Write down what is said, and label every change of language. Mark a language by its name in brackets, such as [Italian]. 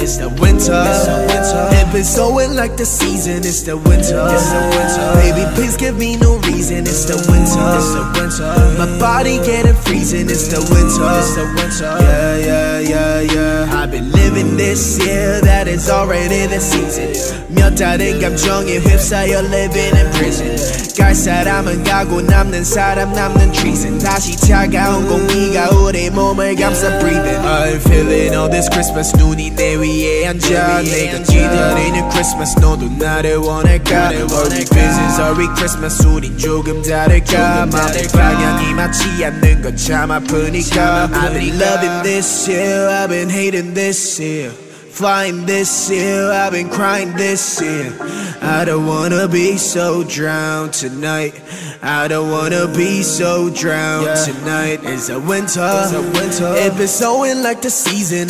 [English] It's the winter, it be snowing like the season. It's the winter, baby, please give me no reason. It's the winter, my body getting freezing. It's the winter, yeah. I've been living this year, that is already the season. [Korean] 몇 달은 감정에 휩싸여 [English] living in prison. [Korean] 갈 사람은 가고 남는 사람 남는 treason. 다시 차가운 공기가 우리 몸을 감싸 breathing. [English] I'm feeling all this Christmas. [Korean] 눈이 내 위에 앉아 내가 기다리는 Christmas. 너도 나를 원할까? [English] Are we business? Are we Christmas? [Korean] 우린 조금 다를까? 마음의 방향이 맞지 않는 건 참 아프니까. [English] I've been loving this year, I've been hating this year. Flying this year, I've been crying this year. I don't wanna be so drowned tonight. I don't wanna be so drowned tonight. It's a winter, it be snowing like the season.